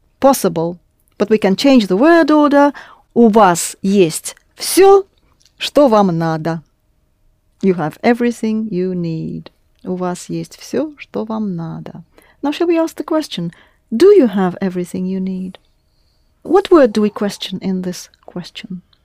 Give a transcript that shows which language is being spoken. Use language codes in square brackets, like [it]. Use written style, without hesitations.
[en] Possible, but we can change the word order. [ru] У вас есть всё, что вам надо. [en] You have everything you need. [ru] У вас есть всё, что вам надо. [en] Now, shall we ask the question? Do you have everything you need? What word do we question in this question?